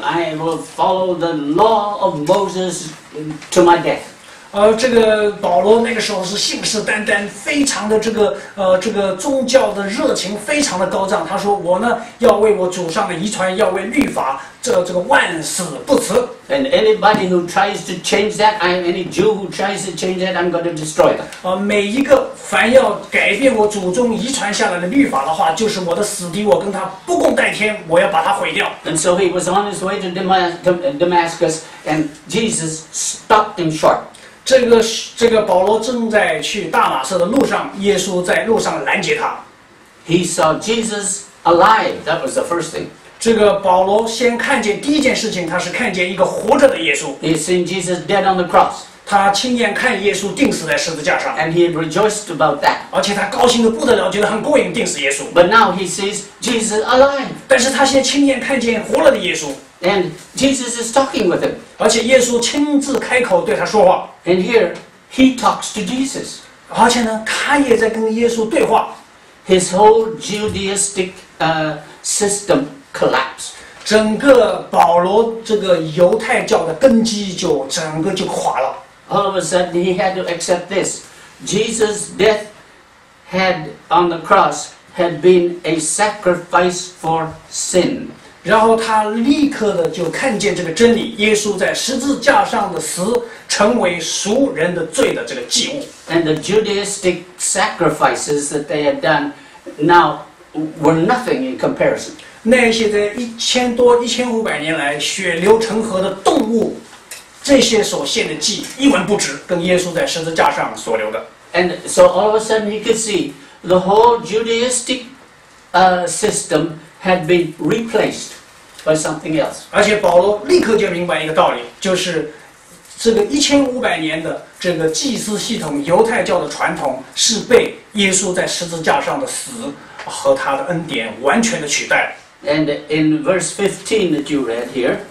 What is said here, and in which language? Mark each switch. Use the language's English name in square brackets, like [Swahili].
[English] I will follow the law of Moses to my death. [Chinese] 这个保罗那个时候是信誓旦旦，非常的这个这个宗教的热情非常的高涨。他说：“我呢，要为我祖上的遗传，要为律法，这个万死不辞。” [English] And anybody who tries to change that, any Jew who tries to change that, I'm going to destroy them. [Chinese] 每一个凡要改变我祖宗遗传下来的律法的话，就是我的死敌，我跟他不共戴天，我要把他毁掉。 [English] And so he was on his way to Damascus, and Jesus stopped him short. [Chinese] 这个保罗正在去大马色的路上，耶稣在路上拦截他。 [English] He saw Jesus alive. That was the first thing. [Chinese] 这个保罗先看见第一件事情，他是看见一个活着的耶稣。 [English] He seen Jesus dead on the cross. [Chinese] 他亲眼看耶稣钉死在十字架上。 [English] And he rejoiced about that. [Chinese] 而且他高兴得不得了，觉得很过瘾，钉死耶稣。 [English] But now he sees Jesus alive. [Chinese] 但是他先亲眼看见活了的耶稣。 [English] And Jesus is talking with him. [Chinese] 而且耶稣亲自开口对他说话。 [English] And here, he talks to Jesus. [Chinese] 而且呢，他也在跟耶稣对话。 [English] His whole Judaistic system collapsed. [Chinese] 整个保罗这个犹太教的根基就整个就垮了。 [English] All of a sudden, he had to accept this. Jesus' death had on the cross had been a sacrifice for sin. [Chinese] 然后他立刻的就看见这个真理，耶稣在十字架上的死成为赎人的罪的这个祭物。 [English] And the Judaistic sacrifices that they had done now were nothing in comparison. [Chinese] 那些在1500年来血流成河的动物，这些所献的祭一文不值，跟耶稣在十字架上所流的。 [English] And so all of a sudden he could see the whole Judaistic system. Had been replaced by something else. [Chinese] 而且保罗立刻就明白一个道理，就是这个1500年的这个祭司系统，犹太教的传统是被耶稣在十字架上的死和他的恩典完全的取代。 [English] And in verse 15 that you read here,